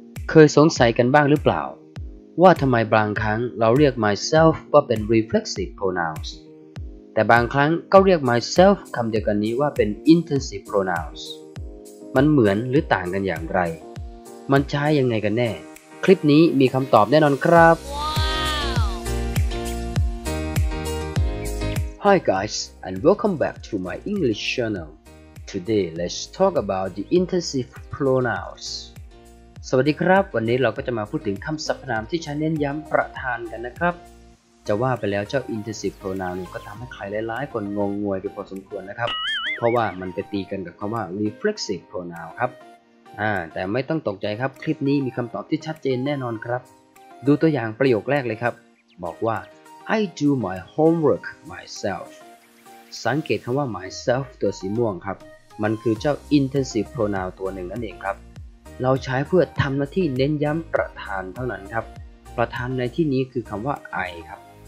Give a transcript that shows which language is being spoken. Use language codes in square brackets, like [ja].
[th] เคยสงสัยกันบ้างหรือเปล่าว่าทำไมบางครั้งเราเรียก myself ว่าเป็น reflexive pronouns แต่บางครั้งก็เรียก myself คำเดียวกันนี้ว่าเป็น intensive pronouns มันเหมือนหรือต่างกันอย่างไรมันใช้ยังไงกันแน่คลิปนี้มีคำตอบแน่นอนครับ [en] Hi guys and welcome back to my English channel. Today let's talk about the intensive pronouns. [th] สวัสดีครับวันนี้เราก็จะมาพูดถึงคำสรรพนามที่ใช้เน้นย้ำประธานกันนะครับจะว่าไปแล้วเจ้า intensive pronoun ก็ทำให้ใครหลายๆคนงงงวยไปพอสมควรนะครับเพราะว่ามันไปตีกันกับคำว่า reflexive pronoun ครับ แต่ไม่ต้องตกใจครับคลิปนี้มีคำตอบที่ชัดเจนแน่นอนครับดูตัวอย่างประโยคแรกเลยครับบอกว่า [en] I do my homework myself [th] สังเกตคำว่า myself ตัวสีม่วงครับมันคือเจ้า intensive pronoun ตัวหนึ่งนั่นเองครับเราใช้เพื่อทำหน้าที่เน้นย้ำประธานเท่านั้นครับประธานในที่นี้คือคำว่า I ครับ